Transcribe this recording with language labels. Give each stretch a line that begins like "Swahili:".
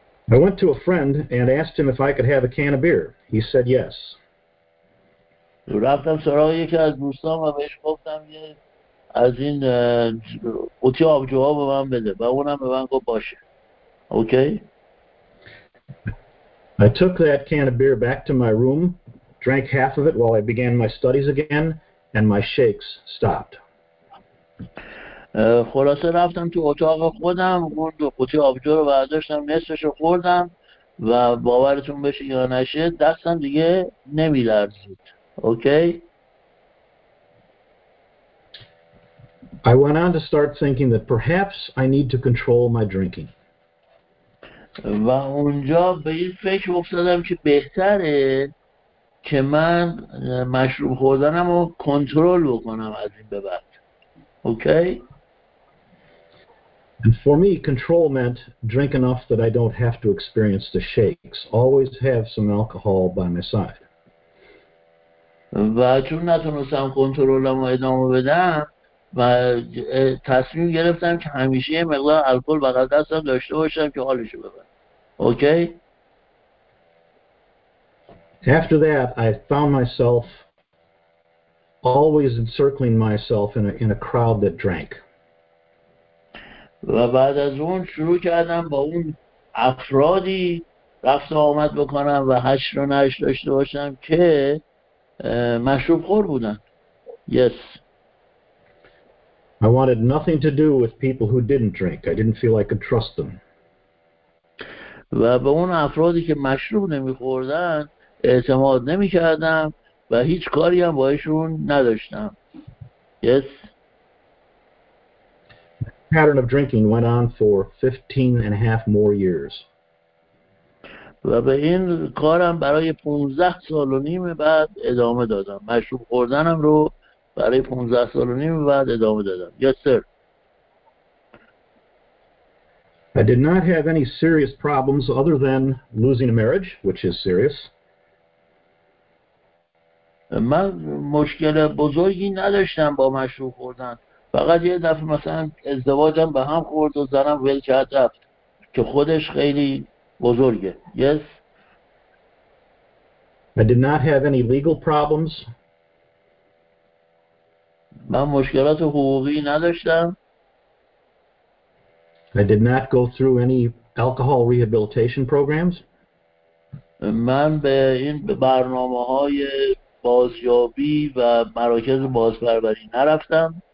English: I went to a friend and asked him if I could have a can of beer. He said yes.
Persian: رفتم سراغ یکی از دوستان و بهش گفتم یه از این قوطی آبجوها به من بده و اونم به من گفت باشه.
English: Okay. I took that can of beer back to my room, drank half of it while I began my studies again, and my shakes stopped.
Persian: خلاصه رفتم تو اتاق خودم اون قوطی آبجو رو برداشتم نصفش رو خوردم و باورتون بشه یا نشه دستم دیگه نمی‌لرزید.
English: Okay. I went on to start thinking that perhaps I need to control my drinking.
Persian: و اونجا به این فکر افتادم که بهتره که من مشروب خوردنمو کنترل بکنم از این به بعد.
English: Okay. And for me, control meant drink enough that I don't have to experience the shakes. Always have some alcohol by my side.
Persian: و چون نتونستم کنترلمو ادامه بدم و تصمیم گرفتم که همیشه یه مقدار الکل بغل دستم داشته باشم که حالشو ببرم.
English: Okay? After that I found myself always encircling myself in a crowd that drank.
Persian: و بعد از اون شروع کردم با اون افرادی رفت آمد بکنم و هشت رو نهش داشته باشم که مشروب خور بودن.
English: Yes. I wanted nothing to do with people who didn't drink. I didn't feel I could trust them.
Persian: و به اون افرادی که مشروب نمی‌خوردن اعتماد نمی‌کردم و هیچ کاری هم باهاشون نداشتم.
English: Yes. The pattern of drinking went on for 15 and a half more years.
Persian: و به این کارم برای 15 سال و نیم بعد ادامه دادم. مشروب خوردنم رو برای 15 سال و نیم بعد ادامه دادم.
English: Yes, sir. I did not have any serious problems other than losing a marriage, which is serious.
Persian: من مشکل بزرگی نداشتم با مشروب خوردن. فقط یه دفعه مثلا ازدواجم به هم خورد و زنم ول کرد رفت که خودش خیلی بزرگه.
English: Yes. I did not have any legal problems.
Persian: من مشکلات حقوقی نداشتم.
English: I did not go through any alcohol rehabilitation programs.
Persian: من به این برنامه‌های بازیابی و مراکز بازپروری نرفتم.